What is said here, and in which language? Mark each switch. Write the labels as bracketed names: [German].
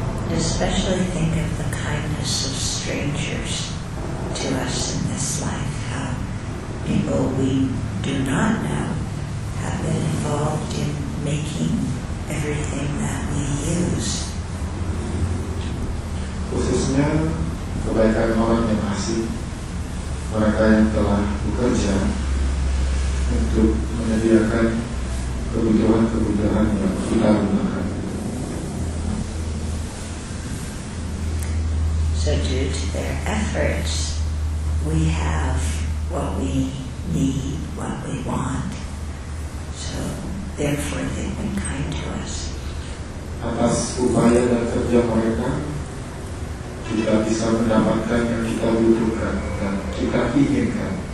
[English] Especially think of the kindness of strangers to us in this life, how people we do not know have been involved in making everything that we use. [Indonesian] Khususnya kebaikan orang yang asing, mereka yang telah bekerja untuk menyediakan kebutuhan-kebutuhan yang kita gunakan. [English] So due to their efforts, we have what we need, what we want. So therefore they've been kind to us. [Indonesian] Atas upaya dan kerja mereka, kita bisa mendapatkan yang kita butuhkan dan kita inginkan.